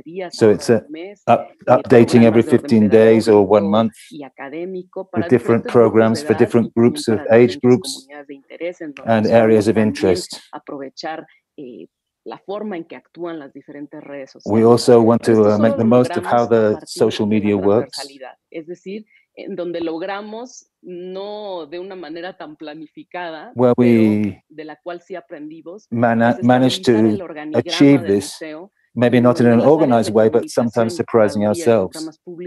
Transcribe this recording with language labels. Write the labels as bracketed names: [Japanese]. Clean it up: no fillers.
[English] So it's updating every 15 days or 1 month with different programs for different groups of age groups and areas of interest. We also want to make the most of how the social media works. [Spanish] En donde logramos, no de una manera tan planificada, [English] where we [Spanish] de la cual sí aprendimos, [English] managed to achieve this, maybe not in an organized way, but sometimes surprising ourselves.